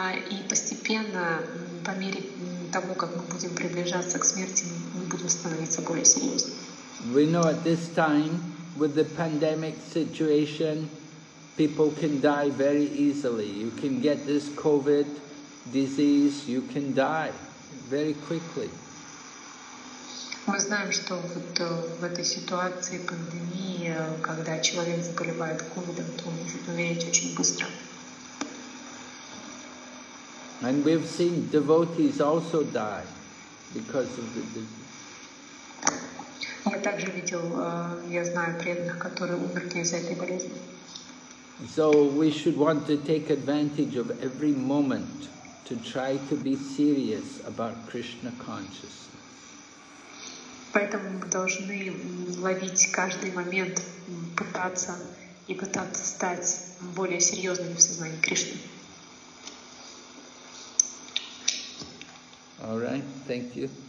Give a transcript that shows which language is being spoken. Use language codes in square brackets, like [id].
[ru] И постепенно, по мере того, как мы будем приближаться к смерти, мы будем становиться более серьезными. [en] We know at this time, with the pandemic situation, people can die very easily. You can get this COVID disease, you can die very quickly. [ru] Мы знаем, что вот в этой ситуации пандемии, когда человек заболевает ковидом, то он может умереть очень быстро. [en] And we've seen devotees also die because of the disease. [ru] Я также видел, я знаю преданных, которые умерли из-за этой болезни. [en] So we should want to take advantage of every moment to try to be serious about Krishna consciousness. [ru] Поэтому мы должны ловить каждый момент, пытаться и пытаться стать более серьезными в сознании Кришны. [en] All right, thank you.